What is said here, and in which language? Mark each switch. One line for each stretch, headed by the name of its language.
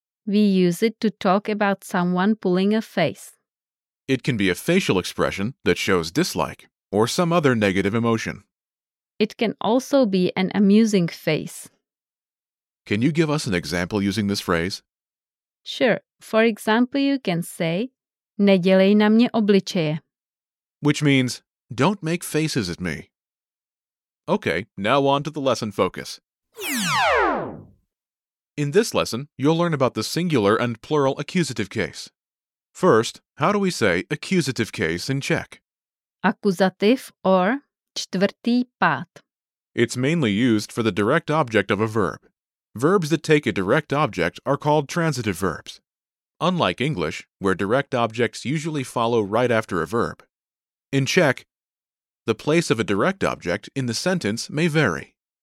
English: We use it to talk about someone pulling a face. It can be a facial expression that shows dislike or some other negative emotion. It can also be an amusing face. Can you give us an example using this phrase? Sure. For example, you can say,
Czech: nedělej na mě obličeje,
English: which means, don't make faces at me. Okay, now on to the lesson focus. In this lesson, you'll learn about the singular and plural accusative case. First, how do we say accusative case in Czech? Accusative or čtvrtý pád. It's mainly used for the direct object of a verb. Verbs that take a direct object are called transitive verbs. Unlike English, where direct objects usually follow right after a verb, in Czech, the place of a direct object in the sentence may vary.